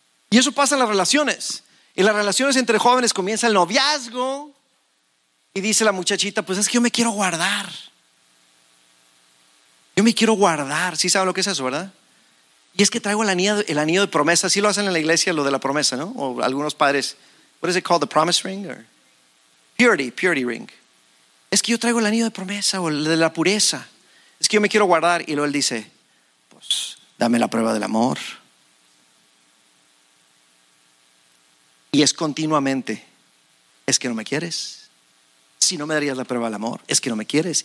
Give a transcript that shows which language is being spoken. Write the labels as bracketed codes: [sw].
[es] Y eso pasa en las relaciones. En las relaciones entre jóvenes comienza el noviazgo. Y dice la muchachita: pues es que yo me quiero guardar. Yo me quiero guardar. ¿Sí saben lo que es eso, verdad? Y es que traigo el anillo de promesa. Sí lo hacen en la iglesia, lo de la promesa, ¿no? O algunos padres. [en] What is it called? The promise ring or purity ring. [es] Es que yo traigo el anillo de promesa o el de la pureza. Es que yo me quiero guardar. Y luego él dice, pues dame la prueba del amor. Y es continuamente, es que no me quieres. Si no me darías la prueba del amor, es que no me quieres.